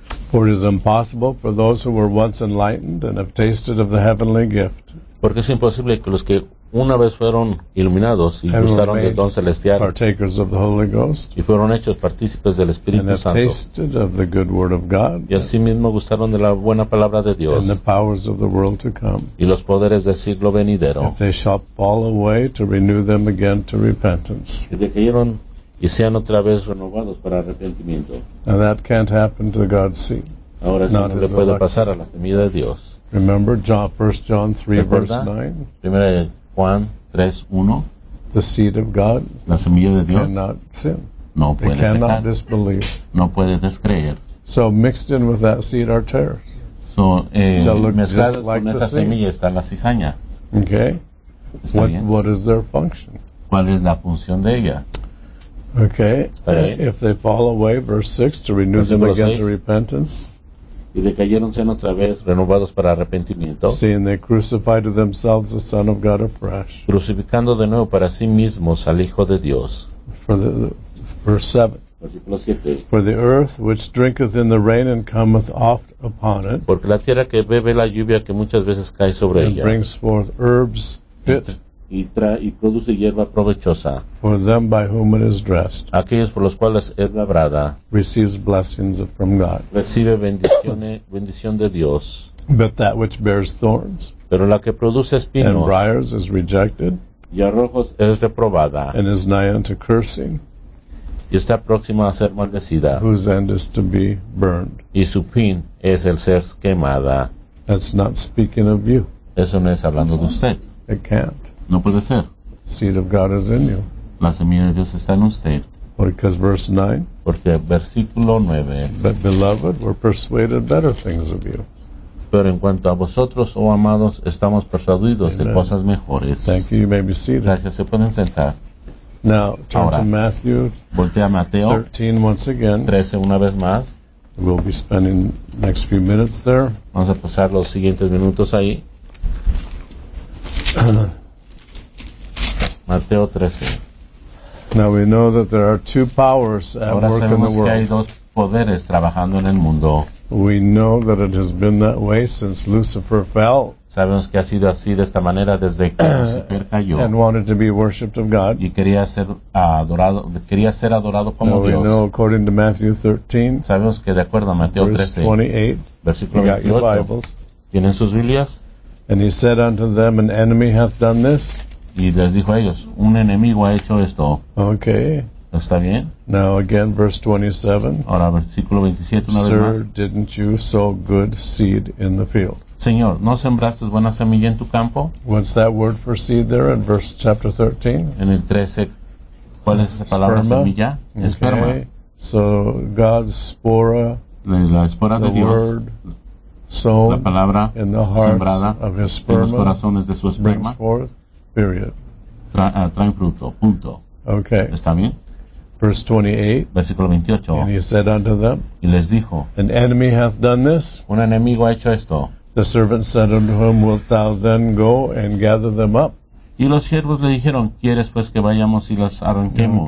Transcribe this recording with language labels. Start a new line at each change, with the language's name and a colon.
English: For it is impossible for those who were once enlightened and have tasted of the heavenly gift.
Spanish: Porque es imposible que los que una vez fueron iluminados y gustaron del don celestial
English: partakers of the Holy Ghost,
Spanish: y fueron hechos partícipes del Espíritu
English: and
Spanish: Santo
English: tasted of the good word of God,
Spanish: y asimismo gustaron de la buena palabra de Dios
English: and the powers of the world to come,
Spanish: y los poderes del siglo venidero
English: if they shall fall away to renew them again to repentance,
Spanish: y decayeron y sean otra vez renovados para arrepentimiento.
English: And that can't happen to God's seed.
Spanish: Ahora eso no le puede
English: elect.
Spanish: Pasar a la semilla de Dios.
English: Remember John, 1 John 3 verse 9.
Spanish: Primera de Juan 3:1.
English: The seed of God,
Spanish: la semilla de Dios,
English: cannot sin.
Spanish: No puede
English: pecar. Cannot disbelieve.
Spanish: No puede descreer.
English: So mixed in with that seed are tares. So
Spanish: mezclados
English: like
Spanish: con esa semilla está la cizaña.
English: Okay.
Spanish: ¿Está
English: what,
Spanish: bien?
English: What is their function?
Spanish: ¿Cuál es la función de ella?
English: Okay.
Spanish: ¿Está bien?
English: If they fall away, verse 6, to renew them again 6. To repentance.
Spanish: Y decayeron sean otra vez renovados para arrepentimiento.
English: Seeing they crucified to themselves the Son of God afresh.
Spanish: Crucificando de nuevo para sí mismos al Hijo de Dios.
English: Verse 7.
Spanish: Versículo 7.
English: For the earth which drinketh in the rain and cometh oft upon it.
Spanish: Porque la tierra que bebe la lluvia que muchas veces cae sobre
English: and
Spanish: ella.
English: And brings forth herbs fit.
Spanish: Y produce hierba provechosa.
English: For them by whom it is dressed.
Spanish: Aquellos por los cuales es labrada.
English: Receives blessings from God.
Spanish: Recibe bendición de Dios.
English: But that which bears thorns.
Spanish: Pero la que produce espinos.
English: And briars is rejected.
Spanish: Y arrojos es reprobada.
English: And is nigh unto cursing.
Spanish: Y está próxima a ser maldecida.
English: Whose end is to be burned.
Spanish: Y su fin es el ser quemada.
English: That's not speaking of you.
Spanish: Eso no es hablando de usted.
English: It can't.
Spanish: No puede ser.
English: Seed of God is in you.
Spanish: La semilla de Dios está en usted.
English: Because verse 9.
Spanish: Porque versículo 9.
English: But beloved, we're persuaded better things of you.
Spanish: Pero en cuanto a vosotros, oh amados, estamos persuadidos de cosas mejores.
English: Thank you. You may be seated.
Spanish: Gracias. Se pueden sentar.
English: Now, turn
Spanish: ahora,
English: to Matthew.
Spanish: Voltea a Mateo.
English: 13 once again.
Spanish: 13 una vez más.
English: We'll be spending next few minutes there.
Spanish: Vamos a pasar los siguientes minutos ahí. Mateo 13.
English: Now we know that there are two powers at
Spanish: ahora
English: work in the world.
Spanish: Que hay dos poderes trabajando en el mundo.
English: We know that it has been that way since Lucifer fell.
Spanish: Sabemos que ha sido así de esta manera desde que Lucifer cayó.
English: And wanted to be worshipped of God.
Spanish: Y quería ser adorado como
English: now
Spanish: Dios.
English: We know according to Matthew 13.
Spanish: Sabemos que de acuerdo a Mateo 13. 28. Versículo 28. ¿Tienen sus Biblias?
English: And he said unto them, an enemy hath done this.
Spanish: Y les dijo a ellos, un enemigo ha hecho esto.
English: Okay.
Spanish: ¿Está bien?
English: Now again, verse 27.
Spanish: Ahora, versículo 27, una
English: sir,
Spanish: vez más.
English: Sir, didn't you sow good seed in the field?
Spanish: Señor, ¿no sembraste buena semilla en tu campo?
English: What's that word for seed there in verse chapter 13?
Spanish: En el 13, ¿cuál es esa palabra
English: sperma?
Spanish: Semilla?
English: Okay.
Spanish: Esperma.
English: So, God's spora.
Spanish: La espora
English: the
Spanish: de Dios.
English: Word. Sown
Spanish: la palabra
English: in the hearts
Spanish: sembrada
English: of his sperma
Spanish: en los corazones de su esperma.
English: Period.
Spanish: Trae fruto. Punto.
English: Okay.
Spanish: ¿Está bien?
English: Verse 28.
Spanish: Versículo 28.
English: And he said unto them.
Spanish: Y les dijo.
English: An enemy hath done this.
Spanish: Un enemigo ha hecho esto.
English: The servant said unto him, wilt thou then go and gather them up?
Spanish: Y los siervos le dijeron, ¿quieres pues que vayamos y las arranquemos?